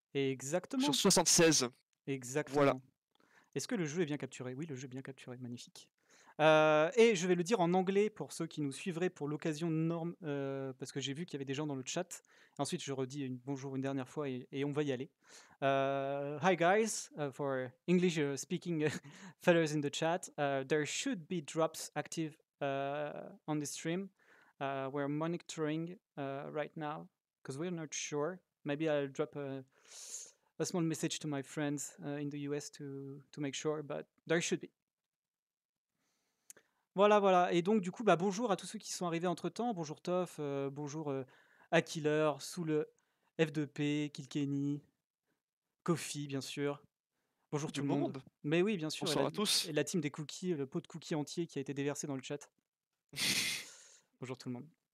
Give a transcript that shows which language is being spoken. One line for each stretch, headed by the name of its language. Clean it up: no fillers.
French: Exactement. Sur 76. Exactement. Voilà. Est-ce que le jeu est bien capturé? Oui, le jeu est bien capturé. Magnifique. Et je vais le dire en anglais pour ceux qui nous suivraient pour l'occasion norme, parce que j'ai vu qu'il y avait des gens dans le chat. Ensuite, je redis bonjour une dernière fois et on va y aller.
English: Hi guys, for English speaking fellows in the chat, there should be drops active on the stream. We're monitoring right now. Because we're not sure. Maybe I'll drop a small message to my friends in the US to make sure, but there should be.
French: Voilà. Et donc, du coup, bonjour à tous ceux qui sont arrivés entre-temps. Bonjour Toff, bonjour Akiller, Soul F2P, Kilkenny, Kofi, bien sûr. Bonjour tout le monde. Mais oui, bien sûr. Bonsoir à tous. Et la team des cookies, le pot de cookies entier qui a été déversé dans le chat. Bonjour tout le monde.